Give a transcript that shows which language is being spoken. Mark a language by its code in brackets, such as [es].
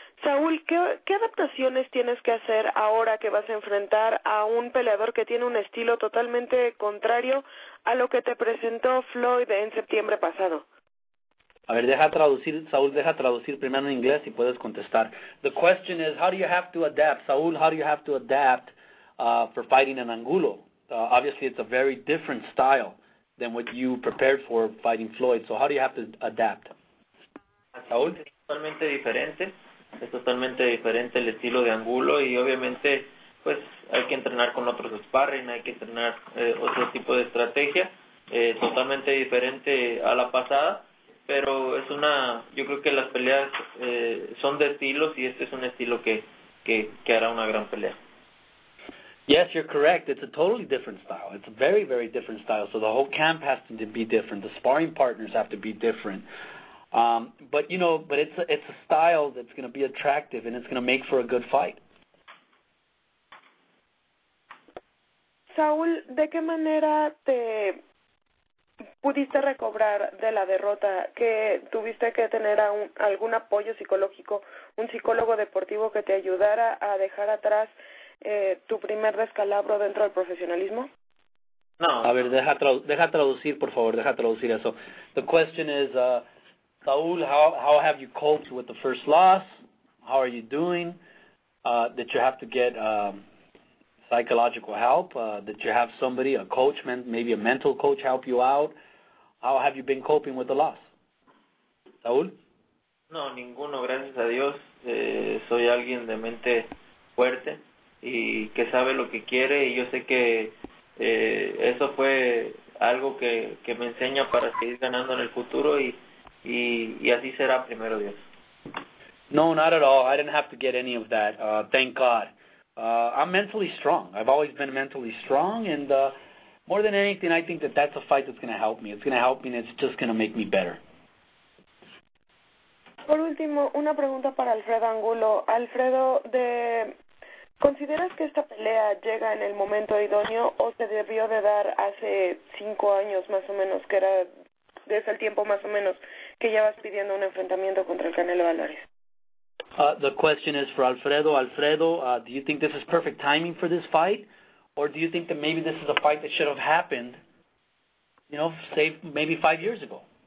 [es] Saúl, ¿qué adaptaciones tienes que hacer ahora que vas a enfrentar a un peleador que tiene un estilo totalmente contrario a lo que te presentó Floyd en septiembre pasado? A ver, deja traducir, Saúl, deja traducir primero en inglés y puedes contestar. [en] The question is, how do you have to adapt, Saúl, how do you have to adapt for fighting an Angulo? Obviously, it's a very different style than what you prepared for fighting Floyd. So how do you have to adapt? [es] Saúl, es totalmente diferente el estilo de Angulo y obviamente pues hay que entrenar con otros sparring, hay que entrenar otro tipo de estrategia, totalmente diferente a la pasada, pero es una, yo creo que las peleas son de estilos y este es un estilo que hará una gran pelea. [en] Yes, you're correct. It's a totally different style. It's a very, very different style. So the whole camp has to be different. The sparring partners have to be different. But it's a style that's going to be attractive and it's going to make for a good fight. [es] Saúl, ¿de qué manera te pudiste recobrar de la derrota? ¿Que tuviste que tener algún apoyo psicológico, un psicólogo deportivo que te ayudara a dejar atrás tu primer descalabro dentro del profesionalismo? No. A ver, deja traducir, por favor, deja traducir eso. [en] The question is, Saúl, how have you coped with the first loss? How are you doing? Did you have to get psychological help, that you have somebody, a coach, maybe a mental coach help you out? How have you been coping with the loss? Saúl? [es] No, ninguno, gracias a Dios. Soy alguien de mente fuerte y que sabe lo que quiere y yo sé que eso fue algo que me enseña para seguir ganando en el futuro y así será, primero Dios. [en] No, not at all. I didn't have to get any of that. Thank God. I'm mentally strong. I've always been mentally strong, and more than anything, I think that's a fight that's going to help me. It's going to help me, and it's just going to make me better. [es] Por último, una pregunta para Alfredo Angulo. Alfredo, ¿consideras que esta pelea llega en el momento idóneo o se debió de dar hace 5 años más o menos, que era desde el tiempo más o menos que ya vas pidiendo un enfrentamiento contra el Canelo Álvarez. [en] The question is for Alfredo. Alfredo, do you think this is perfect timing for this fight? Or do you think that maybe this is a fight that should have happened, you know, say, maybe 5 years ago?